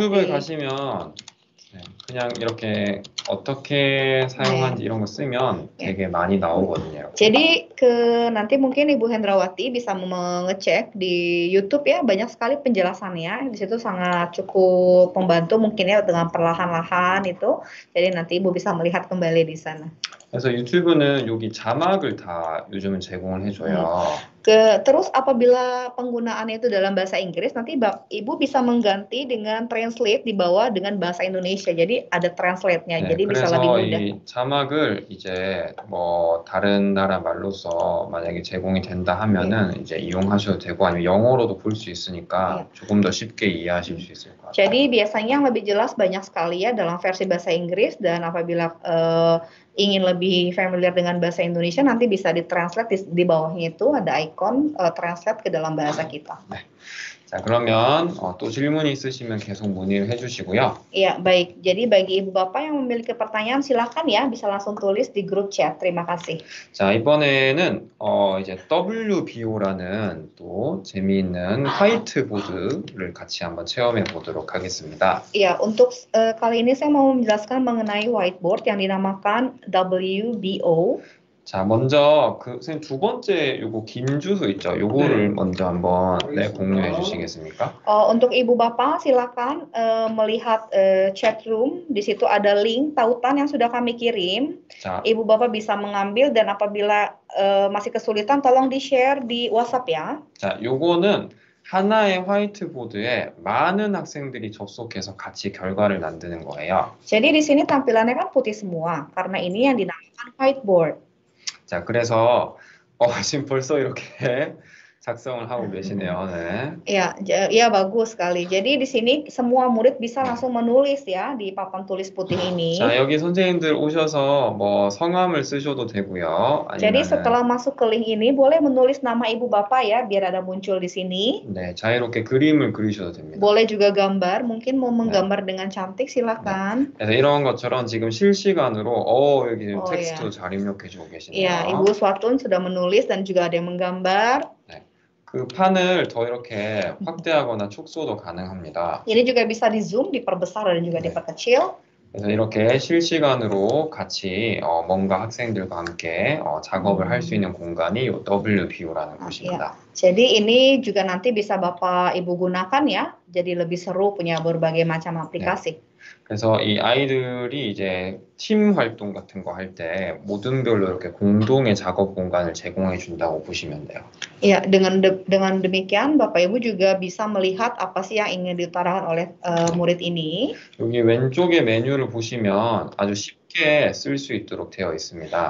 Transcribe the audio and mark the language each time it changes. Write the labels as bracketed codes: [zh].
[ko] YouTube에 가시면 그냥 이렇게 어떻게 사용하는지 네. 이런 거 쓰면 되게 네. 많이 나오거든요. [id] Jadi ke nanti mungkin Ibu Hendrawati bisa mengecek di YouTube ya banyak sekali penjelasannya di situ sangat cukup membantu mungkin ya dengan perlahan-lahan itu. Jadi nanti Ibu bisa melihat kembali di sana. [ko] 그래서 유튜브는 여기 자막을 다 요즘은 제공을 해줘요. [id] 그 terus apabila penggunaannya itu dalam bahasa Inggris, nanti ibu bisa mengganti dengan translate di bawah dengan bahasa Indonesia. Jadi ada translate-nya. 네, jadi bisa lebih mudah. [ko] 그래서 이 자막을 이제 뭐 다른 나라 말로서 만약에 제공이 된다 하면은 네. 이제 이용하셔도 되고 아니면 영어로도 볼 수 있으니까 네. 조금 더 쉽게 이해하실 수 있을 것 같아요. [id] Jadi biasanya yang lebih jelas banyak sekali ya dalam versi bahasa Inggris dan apabila ingin lebih familiar dengan bahasa Indonesia nanti bisa ditranslate di bawahnya itu ada icon translate ke dalam bahasa kita. [ko] 네. 자, 그러면 또 질문이 있으시면 계속 문의를 해 주시고요. [id] Iya, baik. Jadi bagi ibu bapak yang memiliki pertanyaan silakan ya bisa langsung tulis di grup chat. Terima kasih. [ko] 자, 이번에는 이제 WBO라는 또 재미있는 화이트보드를 같이 한번 체험해 보도록 하겠습니다. [id] Iya, untuk kali ini saya mau menjelaskan mengenai whiteboard yang dinamakan WBO. [ko] 자, 먼저 그 선생님 두 번째 요거 긴 주소 있죠? 요거를 네. 먼저 한번 네, 공유해 주시겠습니까? [id] Untuk ibu bapak silakan melihat chat room. Di situ ada link tautan yang sudah kami kirim. 자. Ibu bapak bisa mengambil dan apabila masih kesulitan tolong di-share di WhatsApp ya. [ko] 자, 요거는 하나의 화이트보드에 많은 학생들이 접속해서 같이 결과를 만드는 거예요. [id] Jadi di sini tampilannya kan putih semua karena ini yang dinamakan whiteboard. [ko] 자, 그래서 지금 벌써 이렇게 작성을 하고 계시네요. 네. [id] 야, ya, bagus sekali. Jadi di sini semua murid bisa langsung menulis ya di papan tulis putih ini. [ko] 자, 여기 선생님들 오셔서 뭐 성함을 쓰셔도 되고요. 아니면은... [id] Jadi setelah masuk ke link ini boleh menulis nama ibu bapak ya biar ada muncul di sini. [ko] 네, 자유롭게 그림을 그리셔도 됩니다. [id] Boleh juga gambar, mungkin mau menggambar 네. dengan cantik silakan. [ko] 네. 이런 것처럼 지금 실시간으로 어, 여기 지금 텍스트 잘 입력해 주고 계시네요. [id] Ya, ibu Swatun sudah menulis dan juga ada yang menggambar. [ko] 그 판을 더 이렇게 확대하거나 축소도 가능합니다. [id] 얘네 juga bisa di zoom, diperbesar dan juga diperkecil. [ko] 그래서 이렇게 실시간으로 같이 뭔가 학생들과 함께 작업을 할 수 있는 공간이 WBU라는 곳입니다. [id] Jadi ini juga nanti bisa Bapak Ibu gunakan ya. Jadi lebih seru punya berbagai macam aplikasi. [ko] 그래서 이 아이들이 이제 팀 활동 같은 거 할 때 모둠별로 이렇게 공동의 작업 공간을 제공해 준다고 보시면 돼요. [id] 예, yeah, dengan demikian Bapak Ibu juga bisa melihat apa sih yang ingin diutarakan oleh murid ini. [ko] 여기 왼쪽에 메뉴를 보시면 아주 쉽게 쓸 수 있도록 되어 있습니다.